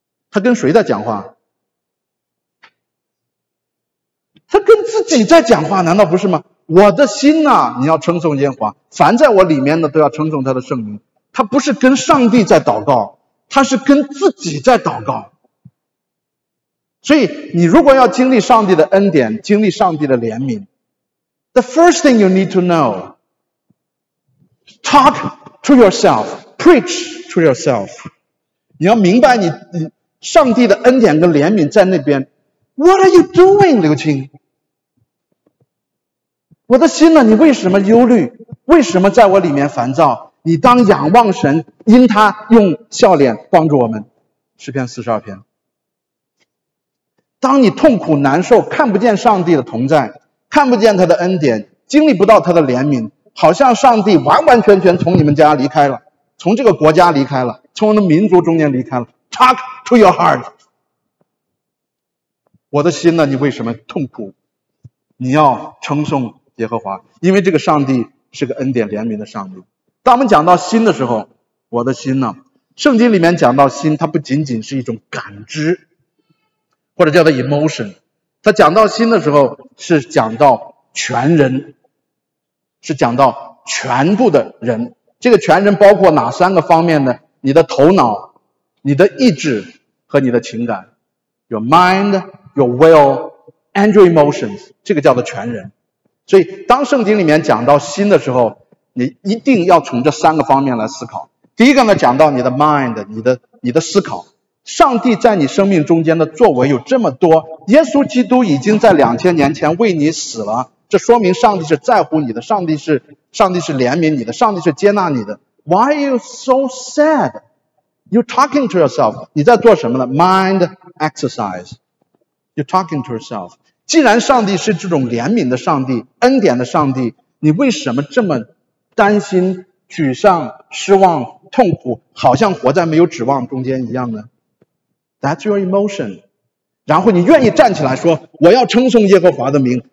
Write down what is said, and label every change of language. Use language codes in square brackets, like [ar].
[zh] 他跟谁在讲话？他跟自己在讲话，难道不是吗？我的心啊，你要称颂耶和华，凡在我里面的都要称颂他的圣名。他不是跟上帝在祷告，他是跟自己在祷告。所以你如果要经历上帝的恩典，经历上帝的怜悯， [en] The first thing you need to know, talk to yourself, preach to yourself. [zh] 你要明白你上帝的恩典跟怜悯在那边。 [en] What are you doing, 刘青？ [zh] 我的心呢？你为什么忧虑？为什么在我里面烦躁？你当仰望神，因他用笑脸帮助我们。诗篇四十二篇。当你痛苦难受，看不见上帝的同在，看不见他的恩典，经历不到他的怜悯，好像上帝完完全全从你们家离开了，从这个国家离开了，从我们民族中间离开了。 [en] Talk to your heart. [zh] 我的心呢？你为什么痛苦？你要称颂耶和华，因为这个上帝是个恩典怜悯的上帝。当我们讲到心的时候，我的心呢？圣经里面讲到心，它不仅仅是一种感知，或者叫做 emotion。它讲到心的时候，是讲到全人，是讲到全部的人。这个全人包括哪三个方面呢？你的头脑、你的意志和你的情感 ， [en] your mind, your will, and your emotions。 [zh] 这个叫做全人。所以当圣经里面讲到心的时候，你一定要从这三个方面来思考。第一个呢，讲到你的 mind， 你的思考。上帝在你生命中间的作为有这么多，耶稣基督已经在2000年前为你死了，这说明上帝是在乎你的，上帝是怜悯你的，上帝是接纳你的。 [en] Why are you so sad? You're talking to yourself. [zh] 你在做什么呢？ [en] Mind exercise. You're talking to yourself. [zh] 既然上帝是这种怜悯的上帝、恩典的上帝，你为什么这么担心、沮丧、失望、痛苦，好像活在没有指望中间一样呢？ [en] That's your emotion. [zh] 然后你愿意站起来说，我要称颂耶和华的名。